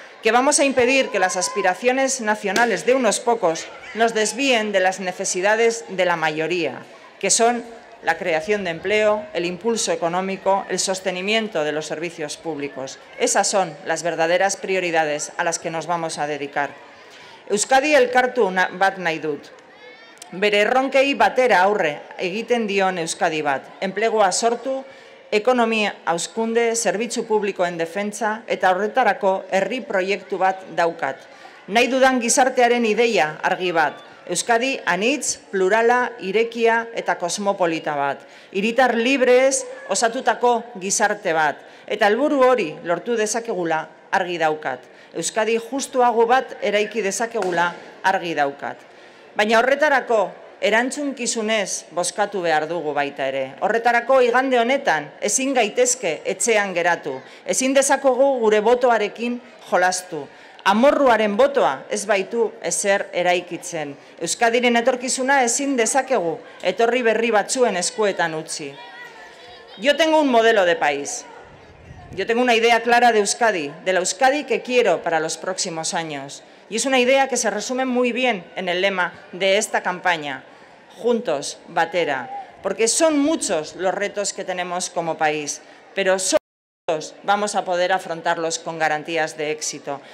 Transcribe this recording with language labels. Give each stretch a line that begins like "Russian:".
Spanish: Que vamos a impedir que las aspiraciones nacionales de unos pocos nos desvíen de las necesidades de la mayoría, que son la creación de empleo, el impulso económico, el sostenimiento de los servicios públicos. Esas son las verdaderas prioridades a las que nos vamos a dedicar.
Basque: Euskadi elkartu bat nahi dut. Bere erronkei batera aurre egiten dion Euskadi bat. Enplegua sortu, ekonomia hauskunde, zerbitzu publikoen defentsa eta horretarako herri proiektu bat daukat. Nahi dudan gizartearen ideia argi bat. Euskadi anitz, plurala, irekia eta kosmopolita bat. Hiritar librez osatutako gizarte bat. Eta helburu hori lortu dezakegula argi daukat. Euskadi justuago bat eraiki dezakegula argi daukat. Baina horretarako, erantzunkizunez bozkatu behar dugu baita ere. Horretarako igande honetan ezin gaitezke etxean geratu. Ezin dezakogu gure botoarekin jolastu. Amorruaren botoa ez baitu ezer eraikitzen. Euskadiren etorkizuna ezin dezakegu etorri berri batzuen eskuetan utzi.
Spanish: Yo tengo un modelo de país. Yo tengo una idea clara de Euskadi, de la Euskadi que quiero para los próximos años. Y es una idea que se resume muy bien en el lema de esta campaña, Juntos, Batera, porque son muchos los retos que tenemos como país, pero solo vamos a poder afrontarlos con garantías de éxito.